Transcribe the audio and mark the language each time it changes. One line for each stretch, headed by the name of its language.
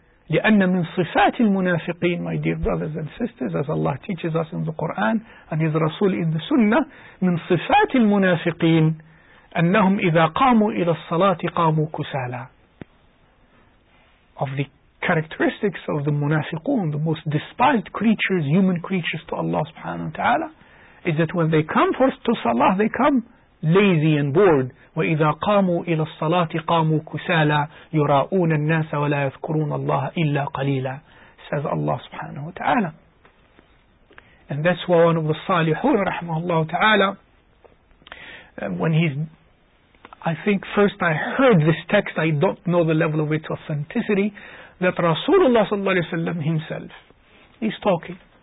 Arabic: لأن من صفات المنافقين,
English: my dear brothers and sisters, as Allah teaches us in the Quran and His Rasul in the Sunnah,
Arabic: من صفات المنافقين أنهم إذا قاموا إلى الصلاة قاموا كسالا.
English: Of the characteristics of the munafiqun, the most despised creatures, human creatures to Allah subhanahu wa ta'ala, is that when they come for to salah, they come lazy and bored.
Arabic: وَإِذَا قَامُوا إِلَى الصَّلَاةِ قَامُوا كُسَالًا يُرَاءُونَ النَّاسَ وَلَا يَذْكُرُونَ اللَّهَ إِلَّا قَلِيلًا, says Allah subhanahu wa ta'ala.
English: And that's why one of the salihun رحمه الله تعالى, when he's, I think first I heard this text, I don't know the level of its authenticity, that Rasulullah sallallahu alayhi wa sallam himself, he's talking.